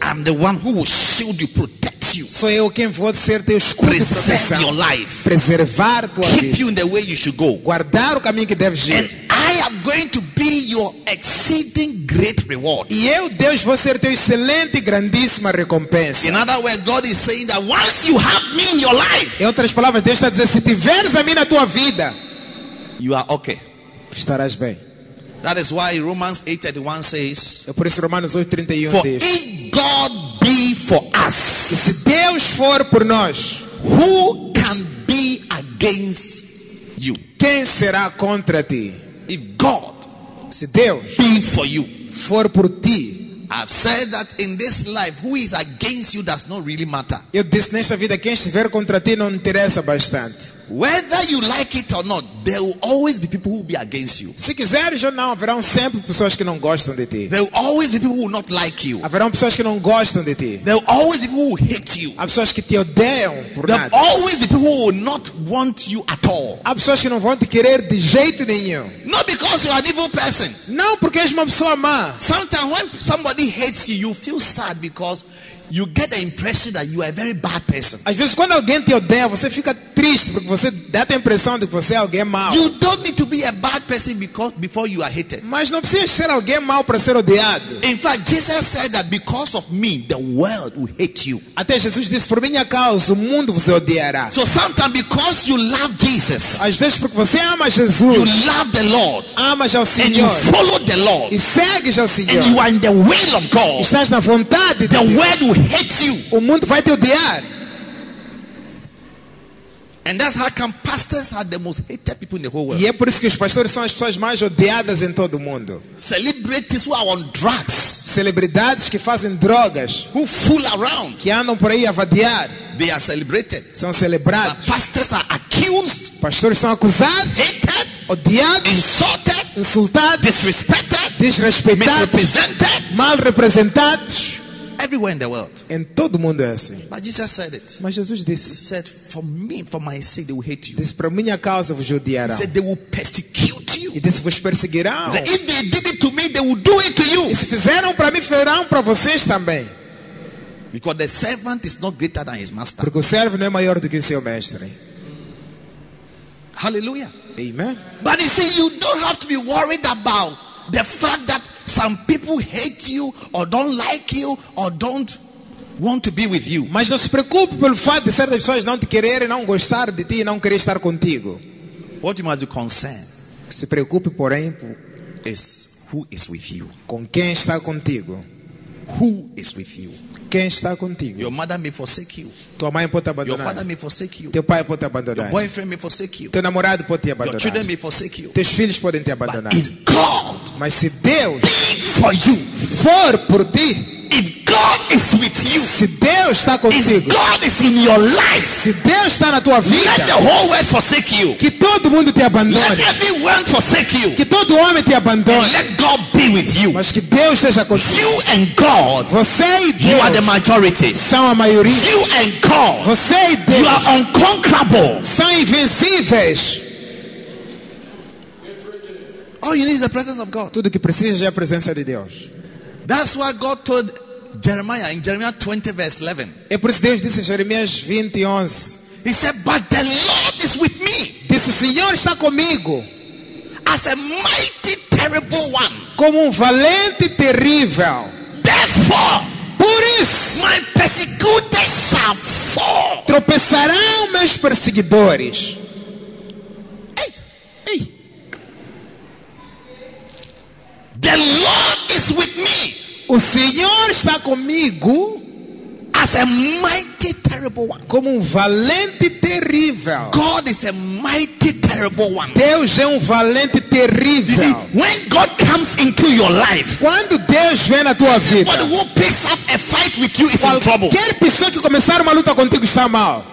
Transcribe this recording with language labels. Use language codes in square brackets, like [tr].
[en] I'm the one who will shield you, protect you. [pt] Sou eu quem vou ser teu escudo. [en] Preserve [pt] proteção, [en] your life. [pt] Preservar tua [en] keep [pt] vida. [en] Keep you in the way you should go. [pt] Guardar o caminho que deves ir. [en] And I am going to be your exceeding great reward. [pt] E eu, Deus, vou ser teu excelente grandíssima recompensa. [en] In other words, God is saying that once you have me in your life. [pt] Em outras palavras, Deus está dizendo, se tiveres a mim na tua vida, [en] you are okay. [pt] Estarás bem. [en] That is why Romans 8:31 says. [pt] É por isso Romanos 8:31 [en] for [pt] diz. [en] For if God be for us. [pt] E se Deus for por nós, [en] who can be against you? [pt] Quem será contra ti? [en] If God, [pt] se Deus, [en] be for you, [pt] for por ti, [en] I've said that in this life, who is against you does not really matter. [pt] Eu disse nesta vida quem estiver contra ti não interessa bastante. [en] Whether you like it or not, there will always be people who will be against you. [pt] Se quiseres ou não, haverão sempre pessoas que não gostam de ti. [en] There will always be people who will not like you. [pt] Haverão pessoas que não gostam de ti. [en] There will always be people who will hate you. [pt] Há pessoas que te odeiam por [en] there [pt] nada. [en] There will always be people who will not want you at all. [pt] Há pessoas que não vão te querer de jeito nenhum. [en] Not because you are an evil person. [pt] Não porque és uma pessoa má. [en] Sometimes when somebody hates you, you feel sad because you get the impression that you are a very bad person. [pt] Às vezes quando alguém te odeia, você fica triste porque você dá a impressão de que você é alguém mau. [en] You don't need to be a bad person because before you are hated. [pt] Mas não precisa ser alguém mau para ser odiado. [en] In fact, Jesus said that because of me, the world will hate you. [pt] Até Jesus disse, por minha causa, o mundo vos odiará. [en] So sometimes because you love Jesus. [pt] Às vezes porque você ama Jesus. [en] You love the Lord. [pt] Amas ao Senhor. [en] And you follow the Lord. [pt] E segues ao Senhor. [en] And you are in the will of God. [pt] E estás na vontade de [en] the [pt] Deus. [en] World will hate you. [pt] O mundo vai te odiar. [en] And that's how come pastors are the most hated people in the whole world. [pt] E é por isso que os pastores são as pessoas mais odiadas em todo o mundo. [en] Celebrities who are on drugs. [pt] Celebridades que fazem drogas. [en] Who fool around. [pt] Que andam por aí a vadiar. [en] They are celebrated. [pt] São celebrados. [en] But pastors are accused. [pt] Pastores são acusados. [en] Hated. [pt] Odiados. [en] Insulted. [pt] Insultados. [en] Disrespected. [pt] Desrespeitados. [en] Misrepresented. [pt] Mal representados. [en] Everywhere in the world. [pt] Em todo mundo é assim. [en] But Jesus said it. [pt] Mas Jesus disse. [en] He said, for me, for my sake, they will hate you. [pt] Disse, para minha causa vos odiarão. [en] He said, they will persecute you. [pt] E disse, vos perseguirão. [en] He said, if they did it to me, they will do it to you. [pt] E se fizeram para mim, farão para vocês também. [en] Because the servant is not greater than his master. [pt] Porque o servo não é maior do que o seu mestre. [en] Hallelujah. [pt] Amen. [en] But he said, you don't have to be worried about the fact that some people hate you or don't like you or don't want to be with you. [pt] Mas não se preocupe pelo fato de certas pessoas não te quererem, não gostar de ti e não querer estar contigo. [en] What you must be concerned. [pt] Se preocupe, porém, [en] is who is with you. [pt] Com quem está contigo? [en] Who is with you? [pt] Quem está contigo? [en] Your mother may forsake you. [pt] Tua mãe pode te abandonar. [en] Your father may forsake you. [pt] Teu pai pode te abandonar. [en] Your boyfriend may forsake you. [pt] Teu namorado pode te abandonar. [en] Your children may forsake you. [pt] Teus filhos podem te abandonar. [en] But if God, [pt] mas se Deus [en] for you, [pt] for por ti, [en] if God is with you, [pt] se Deus está contigo, [en] if God is in your life, [pt] se Deus está na tua vida, [en] let the whole world forsake you. [pt] Que todo mundo te abandone. [en] Let everyone forsake you. [pt] Que todo homem te abandone. [en] And let God be with you. [pt] Mas que Deus seja contigo. [en] You and God, [pt] você e Deus, [en] you are the majority. [pt] São a maioria. [en] You and God, [pt] você e Deus, [en] you are unconquerable. [pt] São invencíveis. [en] All you need is the presence of God. [pt] Tudo que precisa é a presença de Deus. [en] That's what God told Jeremiah in Jeremiah 20 verse 11. [pt] É por isso que Deus disse em Jeremias 20, 11. [en] He said, but the Lord is with me. [pt] Disse, Senhor está comigo. [en] As a mighty, terrible one. [pt] Como valente e terrível. [en] Therefore, [pt] por isso, [en] my persecutors shall fall. [pt] Tropeçarão meus perseguidores. Ei, ei. [en] The Lord is with me. [pt] O Senhor está comigo. [en] As a mighty, terrible one. [pt] Como valente e terrível. [en] God is a mighty, terrible one. [pt] Deus é valente e terrível. [en] You see, when God comes into your life, [pt] quando Deus vem na tua vida, [en] anybody who picks up a fight with you is in trouble. [pt] Qualquer pessoa que começar uma luta contigo está mal.